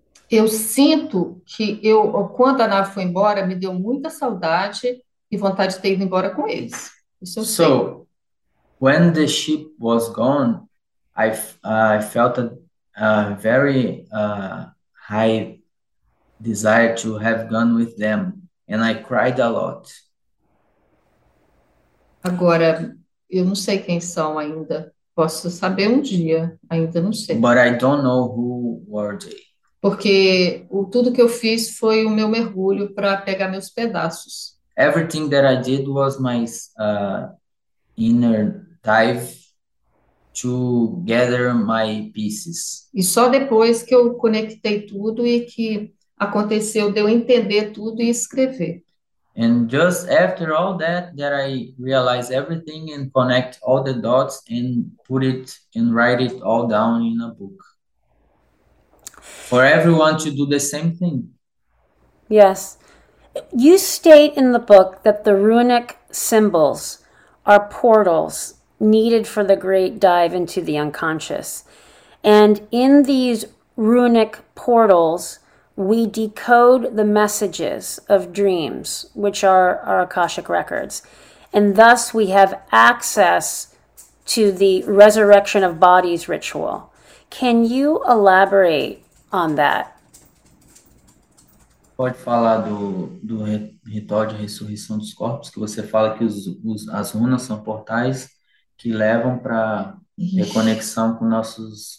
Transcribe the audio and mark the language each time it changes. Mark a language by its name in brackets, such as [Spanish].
[Portuguese] Eu sinto que eu, quando a nave foi embora, me deu muita saudade e vontade de ter ido embora com eles. Isso eu sei. [English] So, when the ship was gone, I felt a very high desire to have gone with them, and I cried a lot. [Portuguese] Agora, eu não sei quem são ainda. Posso saber um dia, ainda não sei. [English] But I don't know who were they. [Portuguese] Porque tudo que eu fiz foi o meu mergulho para pegar meus pedaços. [English] Everything that I did was my inner dive to gather my pieces. [Portuguese] E só depois que eu conectei tudo e que aconteceu de eu entender tudo e escrever. [English] And just after all that, I realized everything and connect all the dots and put it and write it all down in a book. For everyone to do the same thing. Yes. You state in the book that the runic symbols are portals needed for the great dive into the unconscious. And in these runic portals, we decode the messages of dreams, which are our Akashic records. And thus we have access to the resurrection of bodies ritual. Can you elaborate on that? [Portuguese] Pode falar do ritual de ressurreição dos corpos, que você fala que as runas são portais que levam para reconexão com nossos